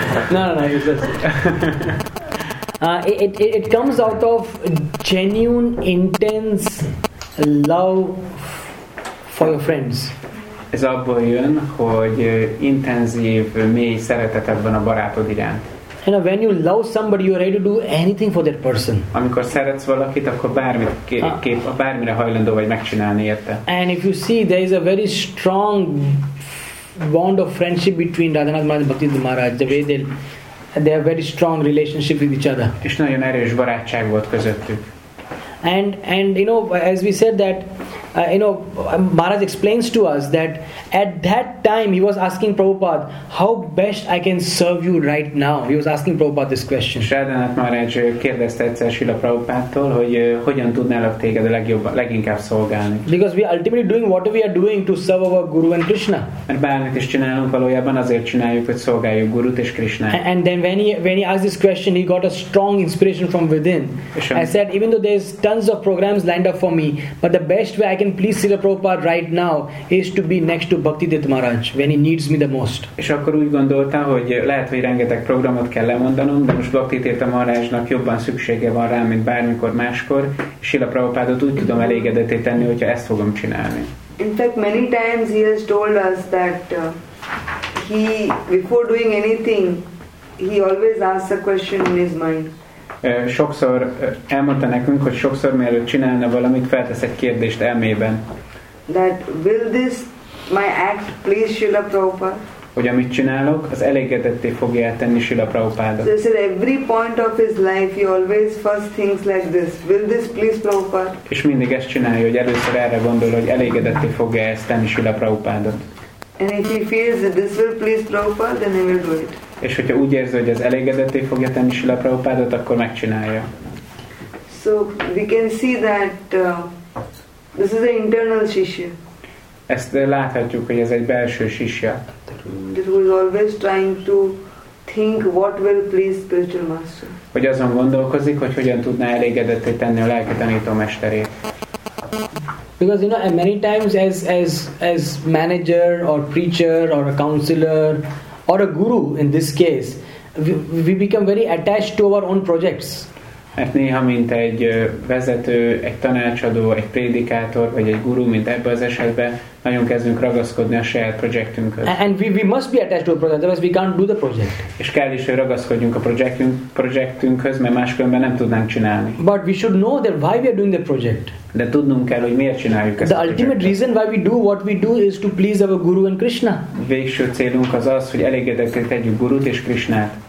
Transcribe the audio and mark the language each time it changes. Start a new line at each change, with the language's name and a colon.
English: No, it's just it comes out of genuine, intense love for your friends.
Hungarian: Ez abból jön, hogy intenzív, mély szeretetet van a barátod iránt.
English: You know, when you love somebody, you are ready to do anything for that person.
Hungarian: Amikor szeretsz valakit, akkor bármit bármire hajlandó vagy megcsinálni érte.
English: And if you see, there is a very strong bond of friendship between Radhanath Maharaj and Bhaktivedanta Maharaj, the way they have very strong relationship with each other.
Hungarian: És nagyon erős barátság volt közöttük.
English: And you know, as we said that, you know, Maharaj explains to us that at that time he was asking Prabhupada, how best I can serve you right now? He was asking Prabhupada this question.
Hungarian: Radhanath Maharaj kérdezte egyszer Srila Prabhupádtól, hogy hogyan tudnálak téged leginkább szolgálni.
English: Because we are ultimately doing what we are doing to serve our Guru and Krishna.
Hungarian: Mert bármit is csinálunk, valójában azért csináljuk, hogy szolgáljuk Gurut és Krishna.
English: And then when he asked this question, he got a strong inspiration from within. I said, even though there's tons of programs lined up for me, but the best way I can please Srila Prabhupada right now is to be next to Bhaktivedanta Maharaj when he needs me the most.
Hungarian: És akkor úgy gondolta, hogy lehet, hogy rengeteg programot kell lemondanom, de most Bhaktivedanta Maharajnak jobban szüksége van rám, mint bármikor máskor, és Srila Prabhupádot úgy tudom elégedetté tenni, hogyha ezt fogom csinálni.
English: In fact, many times he has told us that he, before doing anything, he always asks a question in his mind.
Hungarian: Sokszor elmondta nekünk, hogy sokszor mielőtt csinálna valamit, feltesz egy kérdést elmében.
English: That will this my act please Srila Prabhupada?
Hungarian: Hogy amit csinálok, az elégedetté fogja eltenni Srila Prabhupádot.
English: So at every point of his life, he always first thinks like this. Will this please Prabhupada?
Hungarian: És mindig ezt csinálja, hogy először erre gondol, hogy elégedetté fogja eltenni Srila Prabhupádot.
English: And if he feels that this will please Prabhupada, then he will do it.
Hungarian: És hogyha úgy érzi, hogy ez elégedetté fogja tenni Srila Prabhupádot, akkor megcsinálja.
English: So we can see that this is an internal shishya.
Hungarian: Ezt láthatjuk, hogy ez egy belső shishya.
English: Who is always trying to think what will please spiritual master.
Hungarian: Hogy azon gondolkozik, hogy hogyan tudná elégedetté tenni a lelki tanító mesterét.
English: Because you know, many times as manager or preacher or a counselor or a guru in this case, we become very attached to our own projects.
Hungarian: Mert néha, mint egy vezető, egy tanácsadó, egy prédikátor, vagy egy guru, mint ebben az esetben, nagyon kezdünk ragaszkodni a saját projektünkhöz.
English: And we must be attached to a project, otherwise we can't do the project.
Hungarian: És kell is, hogy ragaszkodjunk a projektünkhöz, mert máskülönben nem tudnánk csinálni.
English: But we should know that why we are doing the project.
Hungarian: De tudnunk kell, hogy miért csináljuk ezt a projektet.
English: The ultimate reason why we do what we do is to please our guru and Krishna.
Hungarian: Végső célunk az az, hogy elégedetté tegyük gurut és Krishnát.